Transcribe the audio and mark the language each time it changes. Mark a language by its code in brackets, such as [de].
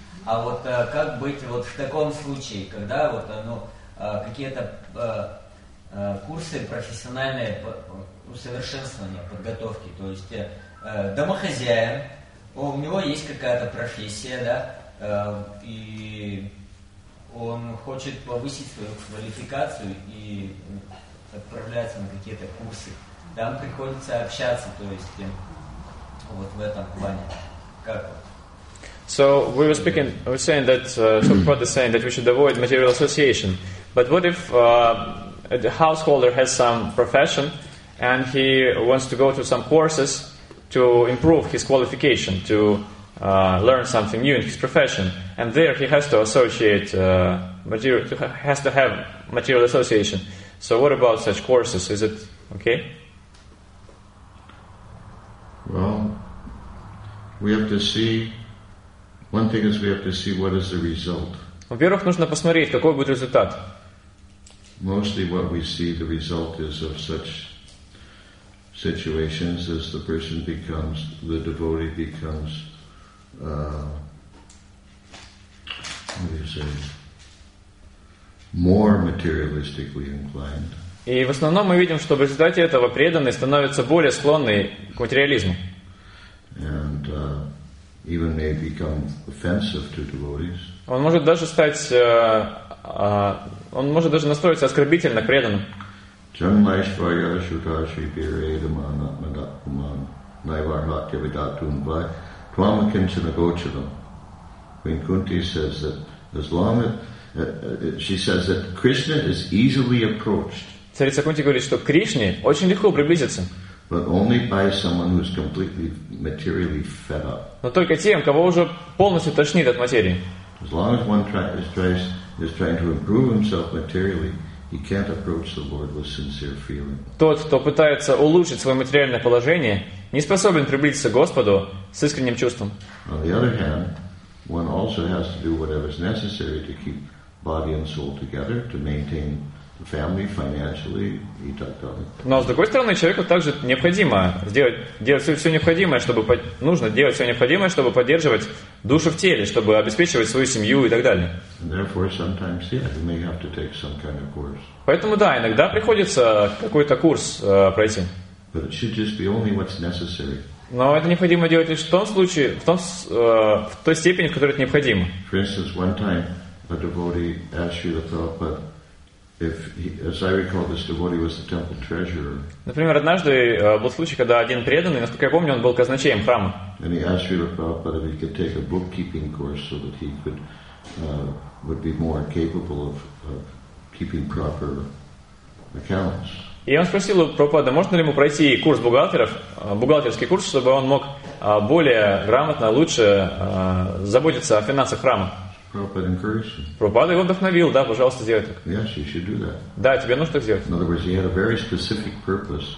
[ru] А вот как быть вот в таком случае, когда вот, ну, какие-то курсы профессиональные усовершенствования, подготовки, то есть домохозяин, у него есть какая-то профессия, да, и он хочет повысить свою квалификацию и отправляется на какие-то курсы. Там приходится общаться, то есть вот в этом плане. Как вот? [en] So we were speaking, we were saying that Prabhupada is saying that we should avoid material association. But what if a householder has some profession and he wants to go to some courses to improve his qualification, to learn something new in his profession, and there he has to associate has to have material association. So what about such courses? Is it okay? Well, we have to see. One thing is we have to see what is the result. [ru] Во-первых, нужно посмотреть, какой будет результат. [en] Mostly what we see the result is of such situations is the person becomes, the devotee becomes, what do you say, more materialistically inclined. [ru] И в основном мы видим, что в результате этого преданный становится более склонный к материализму. [en] And, even may become offensive to devotees. [ru] Он может даже стать, он может даже настроиться оскорбительно к преданным. [sa] Джанмайшвая шуташи пирейдамана мадапуман найвархатя видатунбай твамакинчина гочарам. [en] Queen Kunti says that as long as she says that Krishna is easily approached. [ru] Царица Кунти говорит, что к Кришне очень легко приблизиться. [en] But only by someone who is completely materially fed up. [ru] Но только тем, кого уже полностью тошнит от материи. [en] As long as one is trying to improve himself materially, he can't approach the Lord with sincere feeling. [ru] Тот, кто пытается улучшить свое материальное положение, не способен приблизиться к Господу с искренним чувством. [en] On the other hand, one also has to do whatever is necessary to keep body and soul together, to maintain family, financially, [ru] и так далее. Но с другой стороны, человеку также необходимо делать все необходимое, чтобы нужно делать все необходимое, чтобы поддерживать душу в теле, чтобы обеспечивать свою семью и так далее. [en] And therefore, sometimes, yeah, you may have to take some kind of course. [ru] Поэтому да, иногда приходится какой-то курс пройти. [en] But it should just be only what's necessary. [ru] Но это необходимо делать лишь в том случае, в той степени, в которой это необходимо. [en] For instance, one time a devotee asked Srila Prabhupada. If he, as I recall, this devotee was the temple treasurer. [ru] Например, однажды был случай, когда один преданный, насколько я помню, он был казначеем храма. [en] And he asked Srila Prabhupada if he could take a bookkeeping course so that he could would be more capable of keeping proper accounts. [ru] И он спросил у Прабхупады, можно ли ему пройти курс бухгалтеров, бухгалтерский курс, чтобы он мог более грамотно, лучше заботиться о финансах храма. Прабхупада его вдохновил, да, пожалуйста, сделай так. [en] Yes, you should do that. [ru] Да, тебе нужно так сделать. [en] In other words, he had a very specific purpose.